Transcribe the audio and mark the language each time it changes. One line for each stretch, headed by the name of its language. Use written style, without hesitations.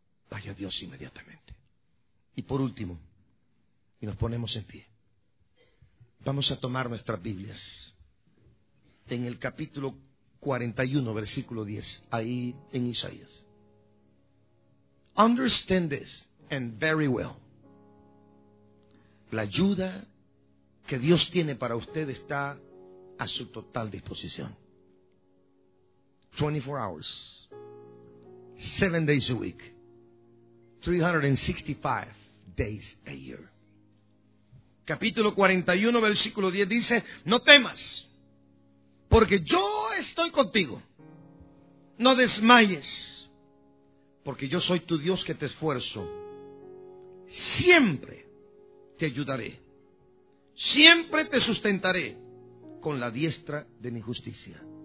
Spanish: Vaya a Dios inmediatamente. Y por último, y nos ponemos en pie, vamos a tomar nuestras Biblias en el capítulo 41, versículo 10, ahí en Isaías.
English: Understand this and very well.
Spanish: La ayuda que Dios tiene para usted está a su total disposición.
English: 24 hours, 7 days a week, 365 days a year.
Spanish: Capítulo 41, versículo 10 dice: no temas, porque yo estoy contigo. No desmayes, porque yo soy tu Dios que te esfuerzo. Siempre te ayudaré, siempre te sustentaré con la diestra de mi justicia.